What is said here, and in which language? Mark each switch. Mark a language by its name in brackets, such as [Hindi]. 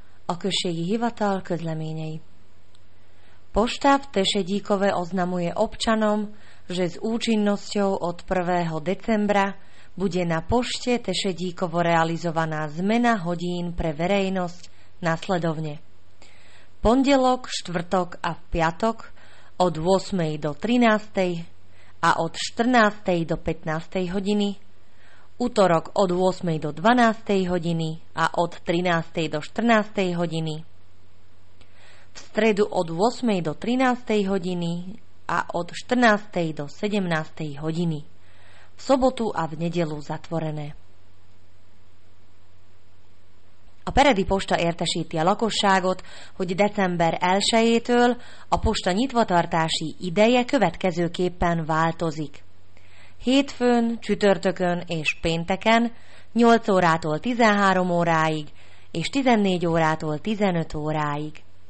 [Hungarian] A községi hivatal közleményei. [Slovak] Poštáv Tešedíkové oznamuje občanom, že s účinnosťou od 1. decembra bude na pošte Tešedíkovo realizovaná zmena hodín pre verejnosť nasledovne. Pondelok, štvrtok a piatok od 8. do 13. a od 14. do 15. hodiny, utorok od 8. do 12. hodiny a od 13. do 14. hodiny, v stredu od 8. do 13. hodiny a od 14. do 17. hodiny, v sobotu a v nedeľu zatvorené. [Hungarian] A peredi posta értesíti a lakosságot, hogy december 1-től a posta nyitvatartási ideje következőképpen változik. Hétfőn, csütörtökön és pénteken 8 órától 13 óráig és 14 órától 15 óráig.